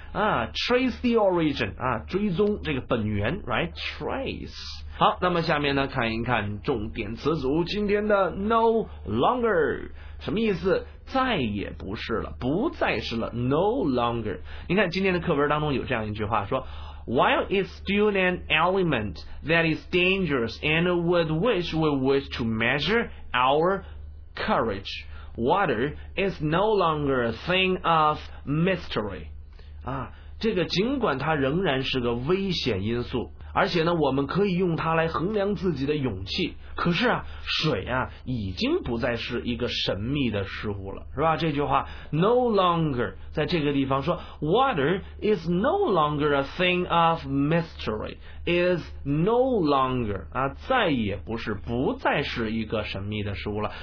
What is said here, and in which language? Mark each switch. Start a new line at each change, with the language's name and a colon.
Chinese: 啊 ，
English: trace the origin，
Chinese: 啊，追踪这个本源 ，
English: right？
Chinese: trace。好，那么下面呢，看一看重点词组今天的 no longer 什么意思？再也不是了，不再是了 ，no longer。你看今天的课文当中有这样一句话说。
English: While it's still an element that is dangerous and with which we wish to measure our courage, water is no longer a thing of mystery.
Chinese: 啊，这个尽管它仍然是个危险因素，而且呢，我们可以用它来衡量自己的勇气。可是啊，水啊，已经不再是一个神秘的事物了，是吧？这句话 ，no longer， 在这个地方说 ，
English: water is no longer a thing of mystery， is no longer
Chinese: 啊，再也不是，不再是一个神秘的事物了。